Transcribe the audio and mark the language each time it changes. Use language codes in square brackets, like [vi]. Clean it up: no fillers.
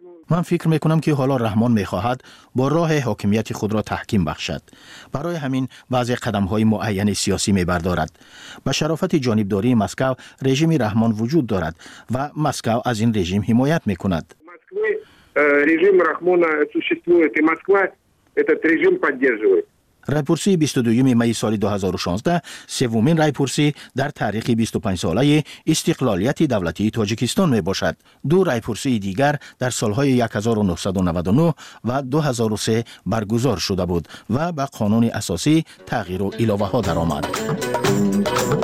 [fa] من فکر میکنم که حالا رحمان میخواهد با راه حاکمیت خود را تحکیم بخشد. برای همین بعضی قدم های معین سیاسی میبردارد. به شرافت جانبداری مسکو رژیم رحمان وجود دارد و مسکو از این رژیم حمایت میکند. [ru] رژیم رحمان существует и Москва этот режим поддерживает. [fa] رایپورسی 22 می سال 2016 سومین رایپورسی در تاریخ 25 ساله استقلالیت دولتی تاجیکستان می باشد. دو رایپورسی دیگر در سالهای 1999 و 2003 برگزار شده بود و به قانون اساسی تغییر و اضافه ها در آمد.